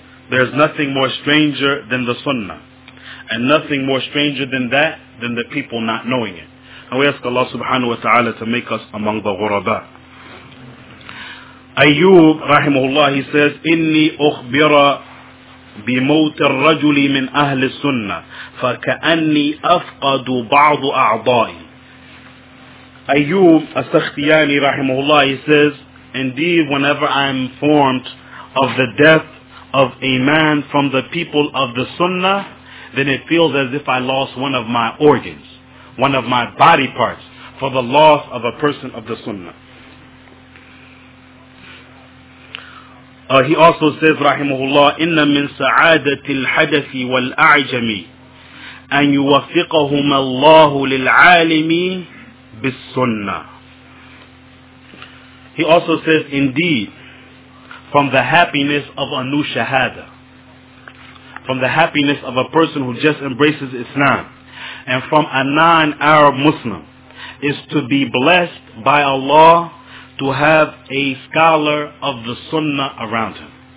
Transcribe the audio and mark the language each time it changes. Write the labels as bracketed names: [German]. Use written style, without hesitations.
[English] There's nothing more stranger than the sunnah. And nothing more stranger than that, than the people not knowing it. And we ask Allah subhanahu wa ta'ala to make us among the ghuraba. Ayyub, rahimahullah, he says, [Arabic] إِنِّي أُخْبِرَ بِمَوْتِ الرَّجُلِ مِنْ أَهْلِ السُنَّةِ فَكَأَنِّي أَفْقَدُ بَعْضُ أَعْضَائِي. [English] Ayyub, as-Sakhtiyani, rahimahullah, he says, indeed, whenever I am informed of the death of a man from the people of the sunnah, then it feels as if I lost one of my organs, one of my body parts, for the loss of a person of the sunnah. He also says, rahimahullah, [Arabic] إِنَّ مِنْ سَعَادَةِ الْحَدَثِ وَالْأَعْجَمِ أَنْ يُوَفِّقَهُمَ اللَّهُ لِلْعَالِمِ بِالسُّنَّةِ. [English] He also says, indeed, from the happiness of a new shahada, from the happiness of a person who just embraces Islam, and from a non-Arab Muslim, is to be blessed by Allah to have a scholar of the sunnah around him.